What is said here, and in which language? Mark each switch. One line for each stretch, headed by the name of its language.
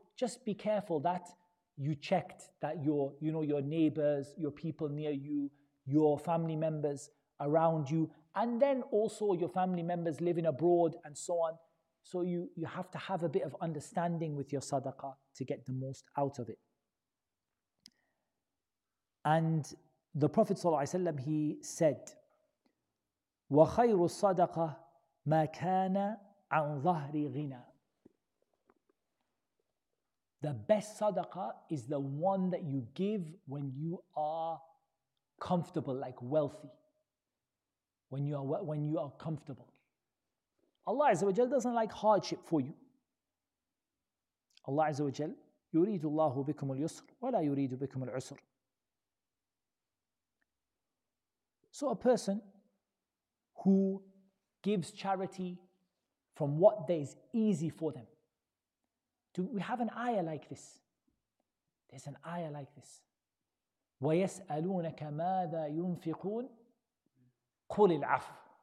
English: Just be careful that you checked that your neighbors, your people near you, your family members around you, and then also your family members living abroad and so on. So you have to have a bit of understanding with your sadaqah to get the most out of it. And the Prophet ﷺ, he said,
Arabic: وَخَيْرُ الصَّدَقَةِ مَا كَانَ عَنْ ظَهْرِ غِنَى.
English: The best sadaqah is the one that you give when you are comfortable, like wealthy. When you are comfortable. Allah Azza wa Jal doesn't like hardship for you. Allah Azza wa Jal,
Arabic: يُرِيدُ اللَّهُ بِكُمُ الْيُسْرُ وَلَا يُرِيدُ بِكُمُ الْعُسْرُ.
English: So a person who gives charity from what that is easy for them. Do we have an ayah like this? There's an ayah like this.
Arabic: وَيَسْأَلُونَكَ مَاذَا يُنْفِقُونَ قُلِ الْعَفْوِ.